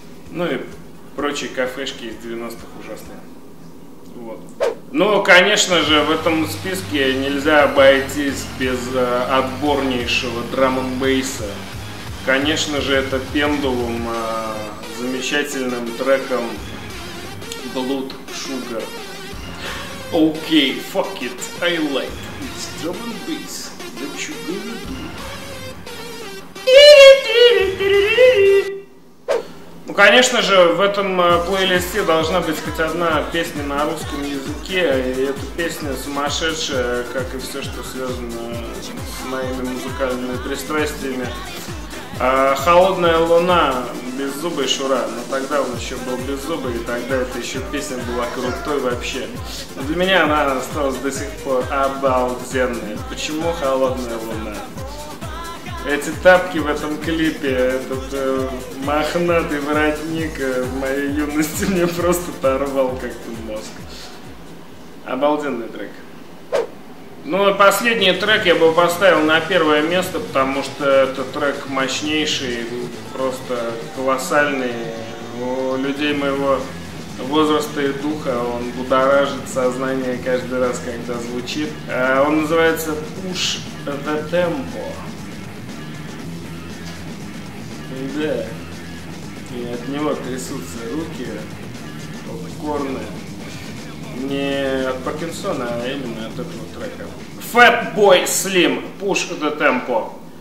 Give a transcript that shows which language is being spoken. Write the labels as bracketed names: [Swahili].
[Russian] Ну и прочие кафешки из 90-х ужасные. Вот. Ну, конечно же, в этом списке нельзя обойтись без отборнейшего драм-н-бейса. Конечно же, это Pendulum, замечательным треком Blood Sugar. [English] Окей, fuck it, I like it's drum and bass, what you gonna do? [Russian] Ну, конечно же, в этом плейлисте должна быть хоть одна песня на русском языке, и эта песня сумасшедшая, как и все, что связано с моими музыкальными пристрастиями. «Холодная луна», «Беззубый Шура», но тогда он еще был беззубый, и тогда эта еще песня была крутой вообще. Но для меня она осталась до сих пор обалденной. Почему «Холодная луна»? Эти тапки в этом клипе, этот мохнатый воротник в моей юности мне просто оторвал как-то мозг. Обалденный трек. Ну и последний трек я бы поставил на первое место, потому что это трек мощнейший, просто колоссальный. У людей моего возраста и духа он будоражит сознание каждый раз, когда звучит. Он называется «Push the Tempo». Да, и от него трясутся руки, попкорны. Не от Паркинсона, а именно от этого трека. Fat Boy Slim, Push the Tempo.